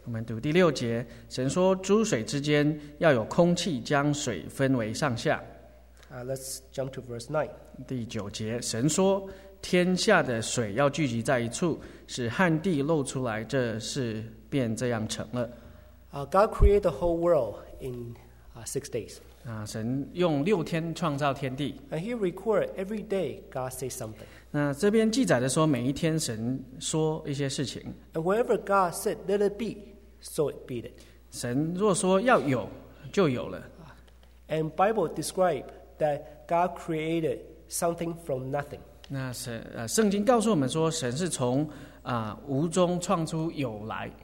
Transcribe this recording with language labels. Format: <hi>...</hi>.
<zh>我们读第六节，神说诸水之间要有空气，将水分为上下。</zh> <en>Let's jump to verse 9.</en> <zh>第九节，神说天下的水要聚集在一处，使旱地露出来，这事便这样成了。</zh> <en>God created the whole world in six days.</en> <zh>神用六天创造天地。</zh> <en>And he record every day God say something.</en> <zh>那这边记载的说每一天神说一些事情。</zh> <en>And whatever God said, let it be, so it be it.</en> <zh>神若说要有，就有了。</zh> <en>And Bible describe that God created something from nothing.</en> <zh>那圣经告诉我们说神是从无中创出有来。</zh>